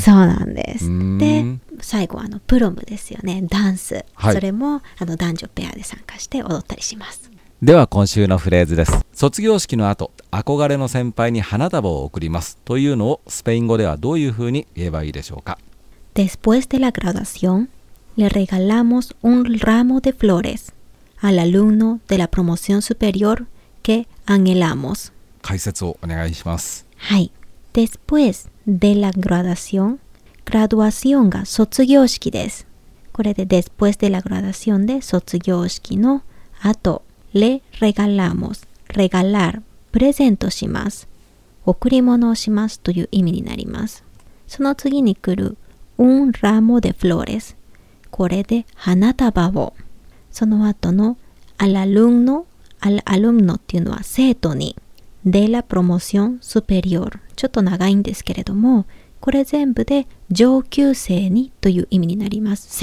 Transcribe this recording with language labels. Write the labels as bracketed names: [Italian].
[Japanese] そうなんです。で最後プロムですよね、ダンス、はい、それも男女ペアで参加して踊ったりします。では今週のフレーズです。卒業式の後、憧れの先輩に花束を贈りますというのをスペイン語ではどういうふうに言えばいいでしょうか？ [Spanish] Después de la graduación le regalamos un ramo de flores al alumno de la promoción superior que anhelamos。 [Japanese] 解説をお願いします。はい、 [Spanish] Después de la graduación、 [Japanese] graduación が卒業式です。これで [Spanish] después de la graduación [Japanese] で卒業式の後、 [Spanish] le regalamos、 [Japanese] regalar、 プレゼントします、贈り物をしますという意味になります。その次に来る [Spanish] un ramo de flores、 [Japanese] これで花束を、その後の [Spanish] al alumno、 [Japanese] al alumno っていうのは生徒に、 [Spanish] de la promoción superior、 [Japanese] ちょっと長いんですけれども、これ全部で上級生にという意味になります。